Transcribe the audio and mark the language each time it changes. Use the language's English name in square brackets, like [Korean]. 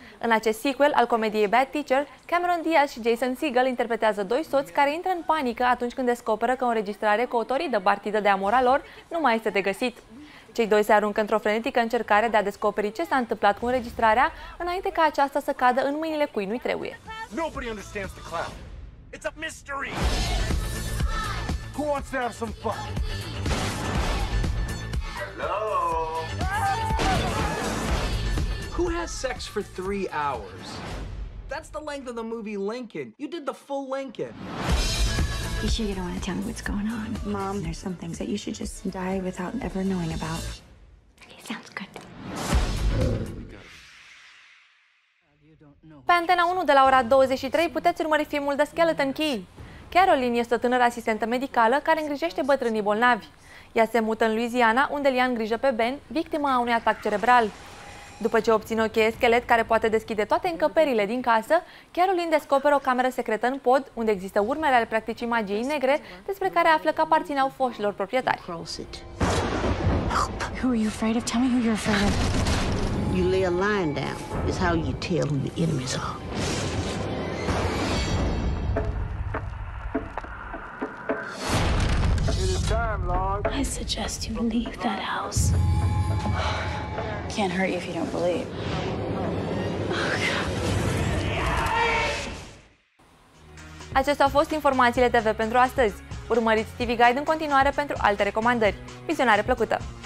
[Romanian] În acest sequel al comediei Bad Teacher, Cameron Diaz și Jason Segel interpretează doi soți care intră în panică atunci când descoperă că o înregistrare cu autorii de partidă de amor a lor nu mai este de găsit. Cei doi se aruncă într-o frenetică încercare de a descoperi ce s-a întâmplat cu înregistrarea, înainte ca aceasta să cadă în mâinile cui nu-i trebuie. [English] Nobody understands the clown. It's a mystery. Who wants to have some fun? Hello? Who has sex for 3 hours? That's the length of the movie Lincoln. You did the full Lincoln. You sure you don't want to tell me what's going on? Mom, there's some things that you should just die without ever knowing about. Okay, sounds good. [Romanian] Pe Antena 1 de la ora 23 puteți urmări filmul The Skeleton Key. Caroline este o tânără asistentă medicală care îngrijește bătrânii bolnavi. Ea se mută în Louisiana, unde ia în grijă pe Ben, victima a unui atac cerebral. După ce obține o cheie schelet care poate deschide toate încăperile din casă, Caroline descoperă o cameră secretă în pod, unde există urmele ale practicii magiei negre, despre care află că aparțineau foșilor proprietari. [English] You lay a line down is how you tell who the enemies are. It is time, Long. I suggest you leave that house. Can't hurt you if you don't believe. [Romanian] Acestea au fost informațiile TV pentru astăzi. Urmăriți TV Guide în continuare pentru alte recomandări. Vizionare plăcută!